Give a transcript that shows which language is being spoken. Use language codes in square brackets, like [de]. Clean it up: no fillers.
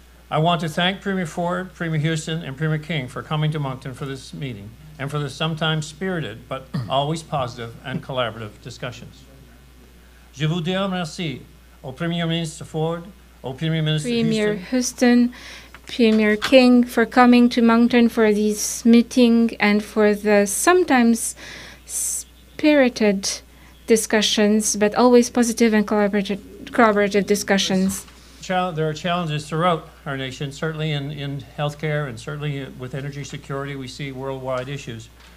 [en] I want to thank Premier Ford, Premier Houston, and Premier King for coming to Moncton for this meeting and for the sometimes spirited but always positive and collaborative discussions. [fr] Je vous dis merci au Premier ministre Ford, au Premier ministre [en] Houston, Premier King for coming to Moncton for this meeting and for the sometimes spirited discussions but always positive and collaborative discussions. There are challenges throughout our nation, certainly in healthcare and certainly with energy security, we see worldwide issues.